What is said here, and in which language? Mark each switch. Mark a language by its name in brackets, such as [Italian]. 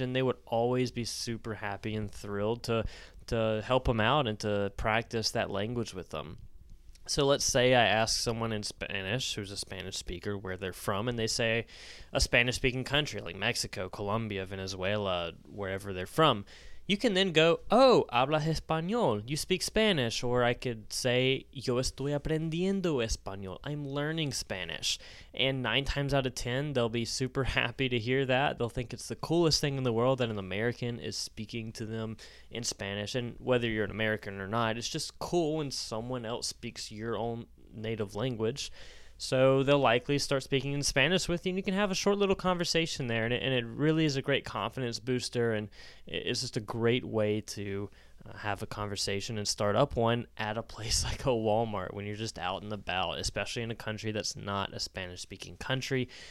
[English] And they would always be super happy and thrilled to help him out and to practice that language with them. So let's say I ask someone in Spanish who's a Spanish speaker where they're from, and they say a Spanish-speaking country like Mexico, Colombia, Venezuela, wherever they're from. You can then go, oh, [Spanish] habla español. [English] You speak Spanish. Or I could say, [Spanish] yo estoy aprendiendo español. [English] I'm learning Spanish. And 9 times out of 10, they'll be super happy to hear that. They'll think it's the coolest thing in the world that an American is speaking to them in Spanish. And whether you're an American or not, it's just cool when someone else speaks your own native language. So they'll likely start speaking in Spanish with you, and you can have a short little conversation there, and it really is a great confidence booster, and it's just a great way to have a conversation and start up one at a place like a Walmart when you're just out and about, especially in a country that's not a Spanish-speaking country.